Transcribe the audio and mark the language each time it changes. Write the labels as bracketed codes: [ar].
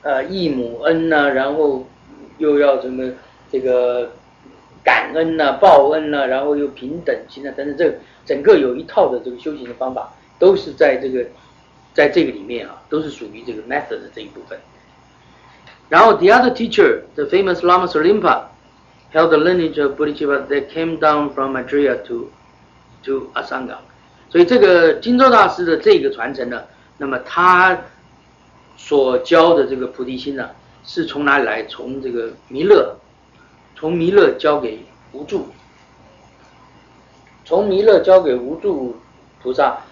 [zh] 义母恩啊，然后又要什么这个感恩啊，报恩啊，然后又平等心啊等等，这个整个有一套的这个修行的方法，都是在这个里面啊，都是属于这个 method 的这一部分。然后 [en] the other teacher, the famous Lama Salimpa, held the lineage of Bodhicitta that came down from Maitreya to Asanga. [zh] 所以这个金州大师的这个传承呢，那么他所教的这个菩提心呢，是从哪里来？从这个弥勒教给无著，从弥勒教给无著菩萨。